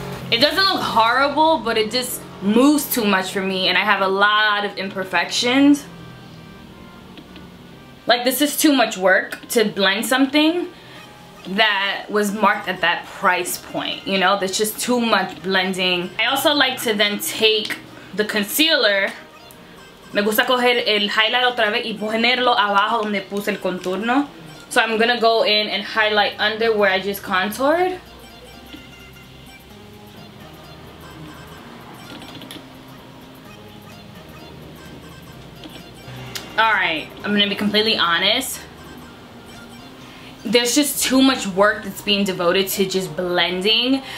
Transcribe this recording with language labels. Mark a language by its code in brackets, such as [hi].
[en] It doesn't look horrible, but it just moves too much for me, and I have a lot of imperfections. Like, this is too much work to blend something that was marked at that price point, you know? There's just too much blending. I also like to then take the concealer. [es] Me gusta coger el highlight otra vez y ponerlo abajo donde puse el contorno. [en] So I'm gonna go in and highlight under where I just contoured. Alright, I'm gonna be completely honest. There's just too much work that's being devoted to just blending.